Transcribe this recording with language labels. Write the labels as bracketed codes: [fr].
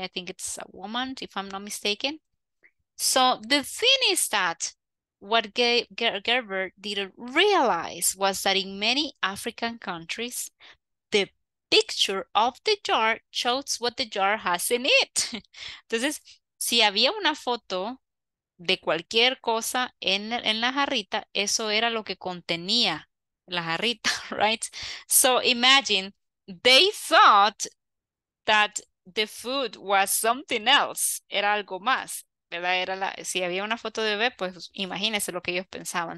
[en] I think it's a woman, if I'm not mistaken. So the thing is that what Gerber didn't realize was that in many African countries, the picture of the jar shows what the jar has in it. [es] Entonces, si había una foto de cualquier cosa en la jarrita, eso era lo que contenía la jarrita, [en] right? So imagine, they thought that the food was something else, [es] era algo más. Si había una foto de bebé, pues imagínense lo que ellos pensaban.